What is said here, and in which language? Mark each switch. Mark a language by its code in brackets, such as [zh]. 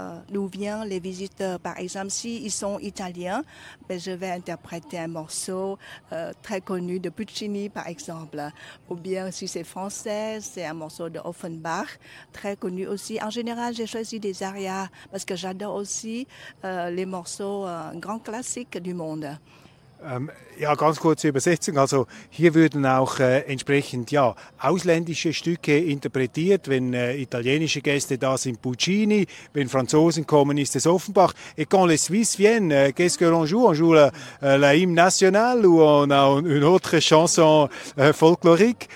[fr] d'où viennent les visiteurs. Par exemple, s'ils sont italiens, ben, je vais interpréter un morceau très connu de Puccini, par exemple. Ou bien si c'est français, c'est un morceau de Offenbach, très connu aussi. En général, j'ai choisi des arias parce que j'adore aussi les morceaux grands classiques du monde. [de] Ja, ganz kurze Übersetzung. Also hier würden auch entsprechend ja ausländische Stücke interpretiert, wenn italienische Gäste da sind, Puccini, wenn Franzosen kommen, ist es Offenbach. [fr] Et quand les Suisses viennent, qu'est-ce que l'on joue? On joue la hymne nationale ou on a une autre chanson folklorique?